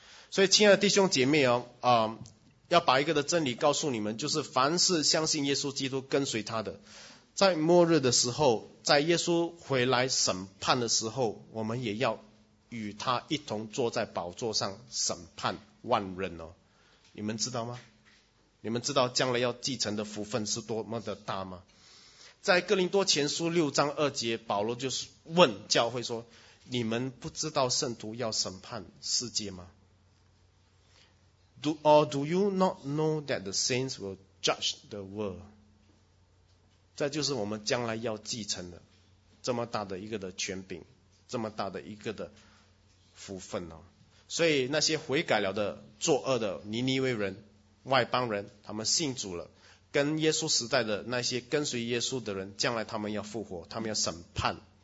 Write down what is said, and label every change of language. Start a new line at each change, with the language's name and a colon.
Chinese: 所以亲爱的弟兄姐妹哦，要把一个的真理告诉你们，就是凡是相信耶稣基督跟随他的，在末日的时候，在耶稣回来审判的时候，我们也要与他一同坐在宝座上审判万人哦。你们知道吗？你们知道将来要继承的福分是多么的大吗？在哥林多前书6章2节，保罗就问教会说，你们不知道圣徒要审判世界吗？
English: Or do you not know that the saints will judge the world?
Chinese: 这就是我们将来要继承的这么大的一个的权柄，这么大的一个的福分哦。所以那些悔改了的作恶的尼尼微人外邦人，他们信主了，跟耶稣时代的那些跟随耶稣的人，将来他们要复活，他们要审判。